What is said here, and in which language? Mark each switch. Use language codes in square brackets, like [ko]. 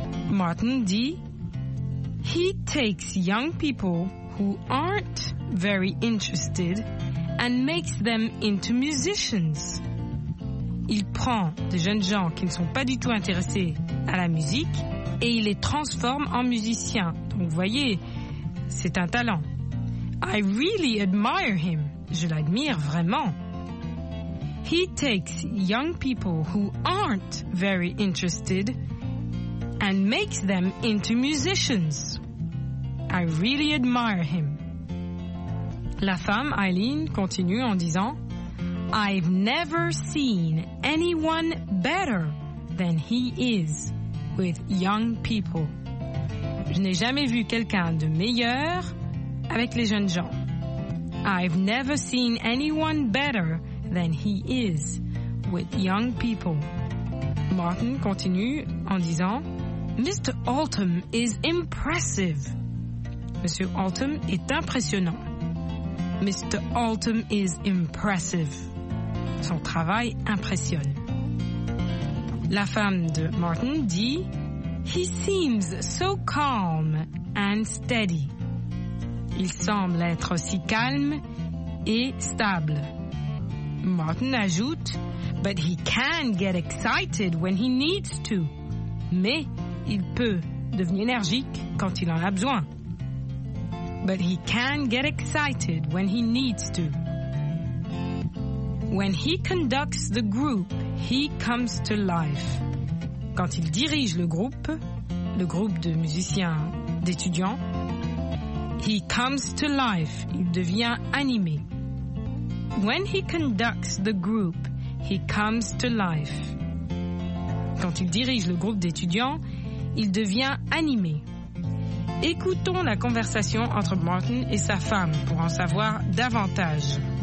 [fr] Martin dit [en] « He takes young people who aren't very interested and makes them into musicians. » [fr] Il prend des jeunes gens qui ne sont pas du tout intéressés à la musique et il les transforme en musiciens. Donc vous voyez, c'est un talent. [en] I really admire him. [fr] Je l'admire vraiment. [en] He takes young people who aren't very interested and makes them into musicians. I really admire him. [fr] La femme, Eileen, continue en disant, [en] I've never seen anyone better than he is with young people. [fr] Je n'ai jamais vu quelqu'un de meilleur avec les jeunes gens. [en] I've never seen anyone better than he is with young people. [fr] Martin continue en disant, [en] Mr. Altum is impressive. [fr] Monsieur Altum est impressionnant. Mr. [en] Altum is impressive. [fr] Son travail impressionne. La femme de Martin dit, [en] He seems so calm and steady. [fr] Il semble être si calme et stable. Martin ajoute, [en] But he can get excited when he needs to. [fr] Mais il peut devenir énergique quand il en a besoin. [en] But he can get excited when he needs to. When he conducts the group, he comes to life. [fr] Quand il dirige le groupe de musiciens, d'étudiants, [en] he comes to life, [fr] il devient animé. [en] When he conducts the group, he comes to life. [fr] Quand il dirige le groupe d'étudiants, il devient animé. Écoutons la conversation entre Martin et sa femme pour en savoir davantage.